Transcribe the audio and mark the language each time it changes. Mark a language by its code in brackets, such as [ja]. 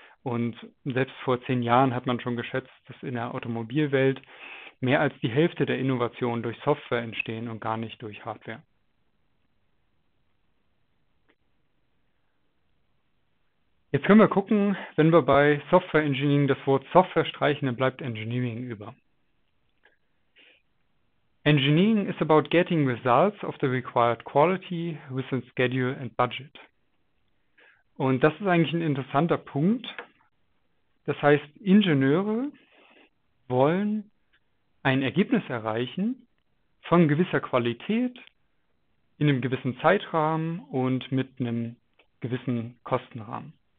[de] Und selbst vor 10 Jahren hat man schon geschätzt, dass in der Automobilwelt mehr als die Hälfte der Innovationen durch Software entstehen und gar nicht durch Hardware. Jetzt können wir gucken, wenn wir bei Software Engineering das Wort Software streichen, dann bleibt Engineering über. [en] Engineering is about getting results of the required quality within schedule and budget. [de] Und das ist eigentlich ein interessanter Punkt. Das heißt, Ingenieure wollen ein Ergebnis erreichen von gewisser Qualität in einem gewissen Zeitrahmen und mit einem gewissen Kostenrahmen.